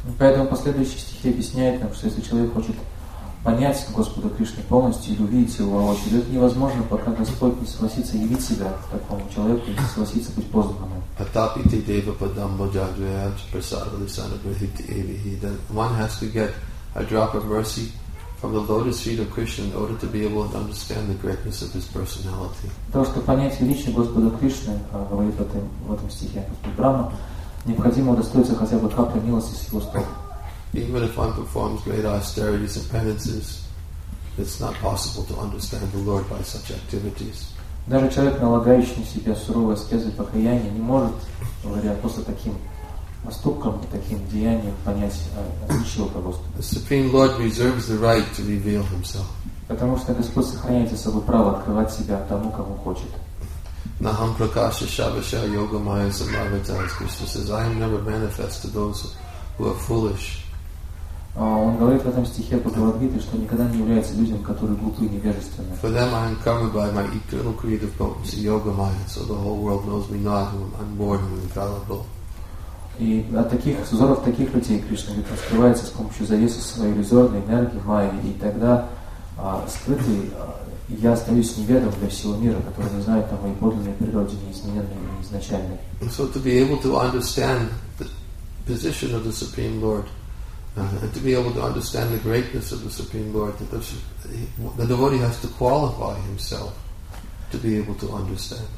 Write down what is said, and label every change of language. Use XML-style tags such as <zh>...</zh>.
<ru>Поэтому последующие стихи объясняют нам, что если человек хочет понять Господа Кришну полностью или увидеть его воочию, это невозможно, пока Господь не согласится явить себя такому человеку, не согласится быть познанным.</ru> <sa>Atapiti deva padam bhajadvayaj prasadalisana brahiti evihi.</sa> <en>Then one has to get a drop of mercy from the lotus feet of Krishna in order to be able to understand the greatness of His personality.</en> <ru>То, что понять величие Господа Кришны, говорит в этом стихе Господь Брахма, необходимо удостоиться хотя бы капли милости с Его стоп.</ru> <en>Even if one performs great austerities and penances, it's not possible to understand the Lord by such activities.</en> <ru>Даже человек, налагающий на себя суровые аскезы и покаяния, не может, говоря просто таким поступком, таким деянием, понять ничего Господа.</ru> <en>The Supreme Lord reserves the right to reveal Himself.</en> <ru>Потому что Господь сохраняет за собой право открывать себя тому, кому хочет.</ru> <sa>Naham prakasha shavasha yoga maya samavita,</sa> <en>as Krishna says, I am never manifest to those who are foolish.</en> <ru>Он говорит в этом стихе Бхагавад-гиты, что никогда не является людям, которые глупы и невежественны.</ru> <en>For them I am covered by my eternal creative potency, yoga maya, so the whole world knows me not, I am unborn and infallible.</en> <ru>И от таких взоров таких людей Кришна раскрывается с помощью завесы своей иллюзорной энергии майи, и тогда скрытый я остаюсь неведом для всего мира, который не знает о моей подлинной природе, неизменной и изначальной.</ru> <en>So to be able to understand the position of the Supreme Lord, and to be able to understand the greatness of the Supreme Lord, the devotee has to qualify himself to be able to understand.</en>